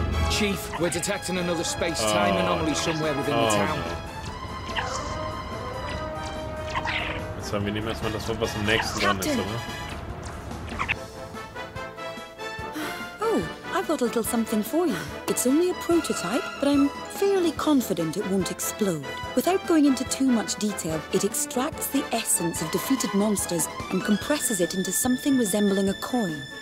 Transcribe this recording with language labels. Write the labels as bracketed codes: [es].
[en] Chief, we're detecting another space-time anomaly somewhere within the town. No. [de] Haben. Wir nehmen erstmal das Wort, was im nächsten dran ist, oder? [en] Oh, I've got a little something for you. It's only a prototype, but I'm fairly confident it won't explode. Without going into too much detail, it extracts the essence of defeated monsters and compresses it into something resembling a coin.